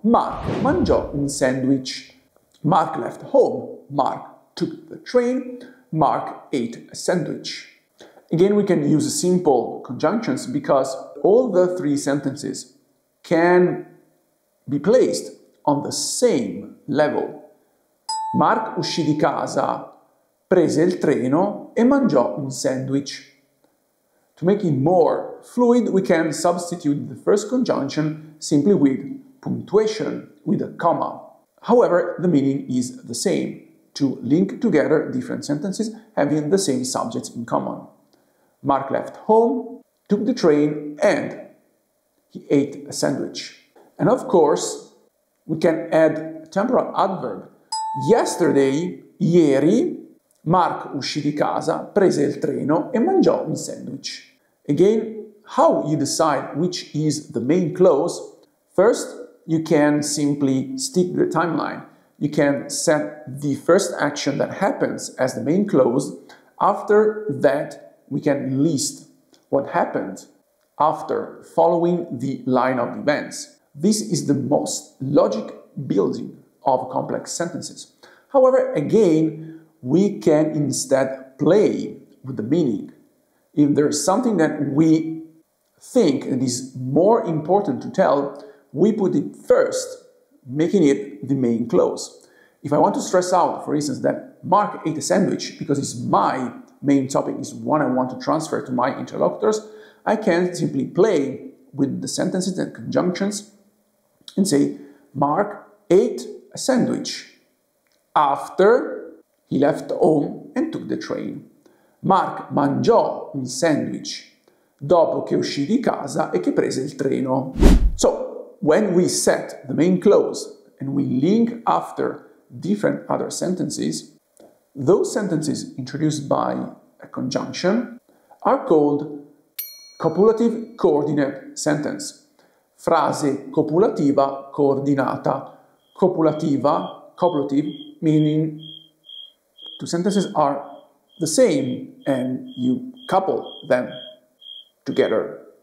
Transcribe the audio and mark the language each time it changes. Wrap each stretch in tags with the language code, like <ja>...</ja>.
<it>Mark mangiò un sandwich.</it> <en>Mark left home. Mark took the train. Mark ate a sandwich. Again, we can use simple conjunctions because all the three sentences can be placed on the same level.</en> <it>Mark uscì di casa, prese il treno e mangiò un sandwich.</it> <en>To make it more fluid, we can substitute the first conjunction simply with punctuation, with a comma. However, the meaning is the same, to link together different sentences having the same subjects in common. Mark left home, took the train, and he ate a sandwich. And of course, we can add a temporal adverb. Yesterday,</en> <it>ieri, Mark uscì di casa, prese il treno e mangiò un sandwich.</it> <en>Again, how you decide which is the main clause? First, you can simply stick the timeline. You can set the first action that happens as the main clause. After that, we can list what happened after following the line of events. This is the most logic building of complex sentences. However, again, we can instead play with the meaning. If there is something that we think it is more important to tell, we put it first, making it the main clause. If I want to stress out, for instance, that Mark ate a sandwich because it's my main topic, is one I want to transfer to my interlocutors, I can simply play with the sentences and conjunctions and say, Mark ate a sandwich after he left home and took the train.</en> <it>Mark mangiò un sandwich dopo che uscì di casa e che prese il treno.</it> <en>So, when we set the main clause and we link after different other sentences, those sentences introduced by a conjunction are called copulative coordinate sentence.</en> <it>Frase copulativa coordinata. Copulativa,</it> <en>copulative, meaning two sentences are the same and you couple them together.</en>